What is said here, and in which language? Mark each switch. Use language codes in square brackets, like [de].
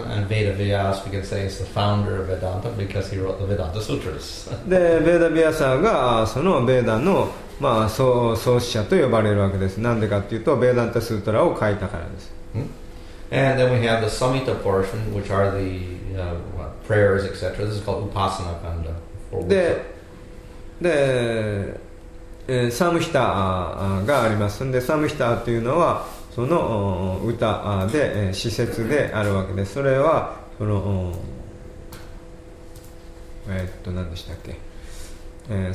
[en] And Veda Vyasa, we can say, is the founder of Vedanta because he wrote the Vedanta Sutras. [ja] で、ベダヴィアサがそのベダの、まあ、創始者と呼ばれるわけです。なんでかっていうと、ベダンタスートラを書いたからです。 [en] And then we have the Samhita portion, which are the prayers, etc. This is called Upasana Kanda. [ja] で、で、サムヒタがありますので、サムヒタというのはその歌で施設であるわけです。それはそのなんでしたっけ？